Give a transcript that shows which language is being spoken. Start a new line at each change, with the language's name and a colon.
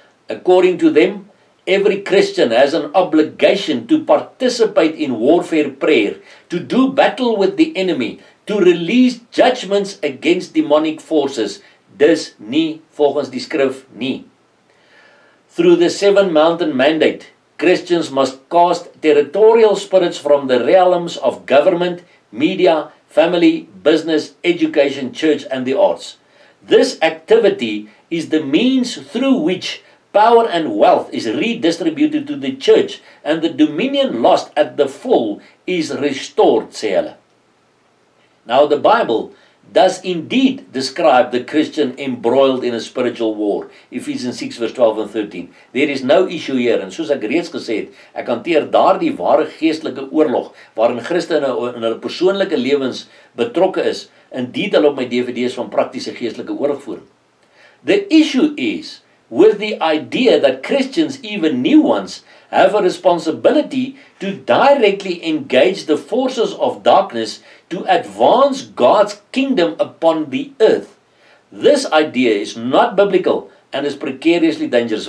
English: According to them, every Christian has an obligation to participate in warfare prayer, to do battle with the enemy, to release judgments against demonic forces.
Afrikaans: Dis nie volgens die skrif nie.
English: Through the Seven Mountain Mandate, Christians must cast territorial spirits from the realms of government, media, family, business, education, church, and the arts. This activity is the means through which power and wealth is redistributed to the church, and the dominion lost at the fall is restored,
Afrikaans: sê hulle.
English: Now the Bible does indeed describe the Christian embroiled in a spiritual war. Ephesians 6 verse 12 and 13. There is no issue here.
Afrikaans: En soos ek reeds gesê het, ek hanteer daar die ware geestelike oorlog, waarin Christene in hulle persoonlike lewens betrokke is, indien hulle op my DVD's van praktiese geestelike oorlog voer.
English: The issue is with the idea that Christians, even new ones, have a responsibility to directly engage the forces of darkness to advance God's kingdom upon the earth. This idea is not biblical and is precariously dangerous.